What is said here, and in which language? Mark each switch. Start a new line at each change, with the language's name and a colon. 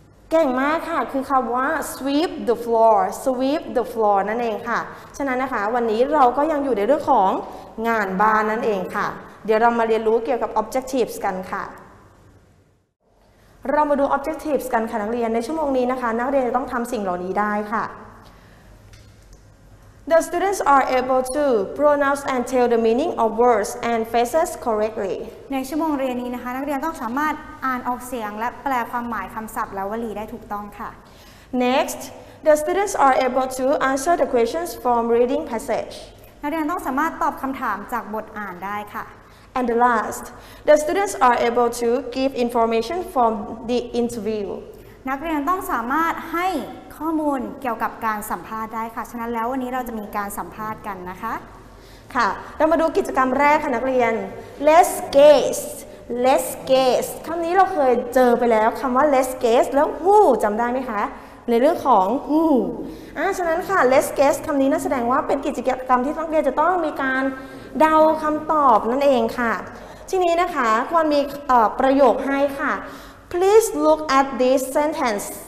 Thai: เก่งมากค่ะคือคำว่า sweep the floor นั่นเองค่ะฉะนั้นนะคะวันนี้เราก็ยังอยู่ในเรื่องของงานบ้านนั่นเองค่ะเดี๋ยวเรามาเรียนรู้เกี่ยวกับ objectives กันค่ะเรามาดู objectives กันค่ะนักเรียนในชั่วโมงนี้นะคะนักเรียนต้องทำสิ่งเหล่านี้ได้ค่ะ
English: The students are able to pronounce and tell the meaning of words and phrases correctly
Thai: ในชั่วโมงเรียนนี้นะคะนักเรียนต้องสามารถอ่านออกเสียงและแปลความหมายคำศัพท์และวลีได้ถูกต้องค่ะ
English: Next the students are able to answer the questions from reading passage
Thai: นักเรียนต้องสามารถตอบคำถามจากบทอ่านได้ค่ะ
English: And the last, the students are able to give information from the interview.
Thai: นักเรียนต้องสามารถให้ข้อมูลเกี่ยวกับการสัมภาษณ์ได้ค่ะฉะนั้นแล้ววันนี้เราจะมีการสัมภาษณ์กันนะคะ ค่ะเรามาดูกิจกรรมแรกค่ะนักเรียน
English: Let's guess. Let's guess.
Thai: คำนี้เราเคยเจอไปแล้วคำว่า Let's guess แล้ว Who จำได้ไหมคะในเรื่องของ who ฉะนั้นค่ะ let's guess คำนี้น่าแสดงว่าเป็นกิจกรรมที่นักเรียนจะต้องมีการเดาคำตอบนั่นเองค่ะทีนี้นะคะควรมีประโยคให้ค่ะ
English: please look at this sentence